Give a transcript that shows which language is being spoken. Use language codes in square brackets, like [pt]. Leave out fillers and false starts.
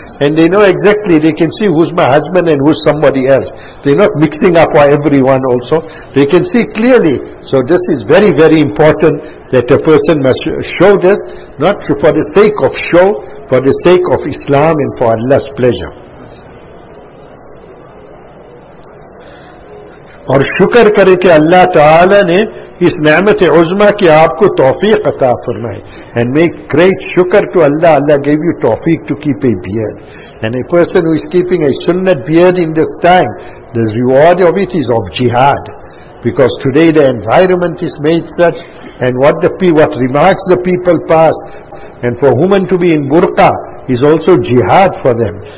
[en] And they know exactly, they can see who's my husband and who's somebody else. They're not mixing up with everyone also. They can see clearly. So this is very, very important that a person must show this, not for the sake of show, for the sake of Islam and for Allah's pleasure. [ur] اور شکر کرے کہ اللہ تعالی نے اس نعمت عظمہ کی آپ کو توفیق عطا فرمائے. [en] And make great شکر to Allah. Allah gave you توفیق to keep a beard. And a person who is keeping a sunnat beard in this time, the reward of it is of jihad. Because today the environment is made such, and what remarks the people pass, and for women to be in burqa is also jihad for them.